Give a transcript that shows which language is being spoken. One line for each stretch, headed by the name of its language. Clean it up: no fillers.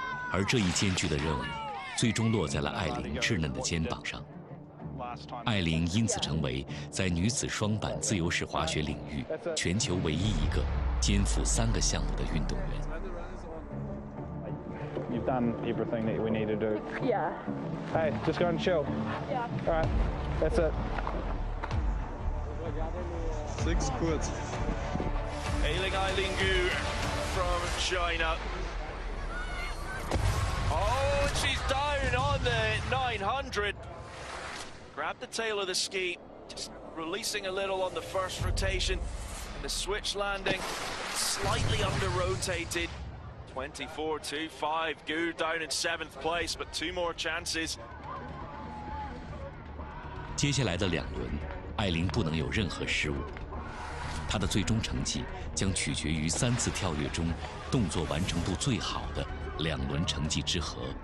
Chinese: 而这一艰巨的任务，最终落在了艾琳稚嫩的肩膀上。哇，艾琳因此成为在女子双板自由式滑雪领域全球唯一一个肩负三个项目的运动员。
English: You've done everything that we need to do. Yeah. Hey, just go and chill. Yeah. All right. That's it. Six quids. Ailing Ailing Gu from China. Oh, and she's down on the 900. Grab the tail of the ski. Just releasing a little on the first rotation. The switch landing, slightly under rotated. 24-25, Gu down in seventh place, but two more chances.
Chinese: 接下来的两轮，艾琳不能有任何失误。她的最终成绩将取决于三次跳跃中动作完成度最好的两轮成绩之和。